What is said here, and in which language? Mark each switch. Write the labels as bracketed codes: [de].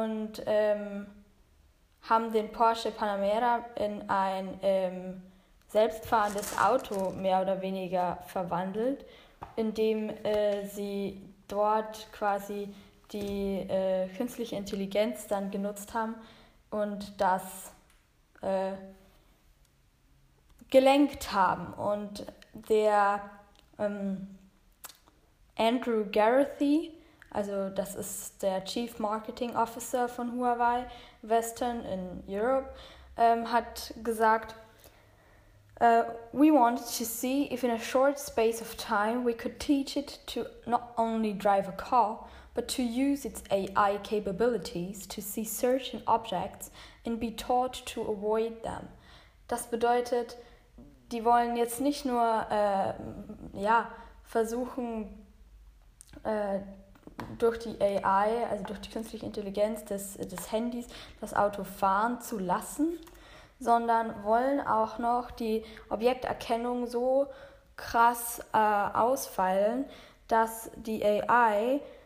[de] Und haben den Porsche Panamera in ein selbstfahrendes Auto mehr oder weniger verwandelt, indem sie dort quasi die künstliche Intelligenz dann genutzt haben und das gelenkt haben. Und der Andrew Garrity, also das ist der Chief Marketing Officer von Huawei Western in Europe, hat gesagt, [en] we wanted to see if in a short space of time we could teach it to not only drive a car, but to use its AI capabilities to see certain objects and be taught to avoid them. [de] Das bedeutet, die wollen jetzt nicht nur ja, versuchen, durch die AI, also durch die künstliche Intelligenz des Handys, das Auto fahren zu lassen, sondern wollen auch noch die Objekterkennung so krass ausfeilen, dass die AI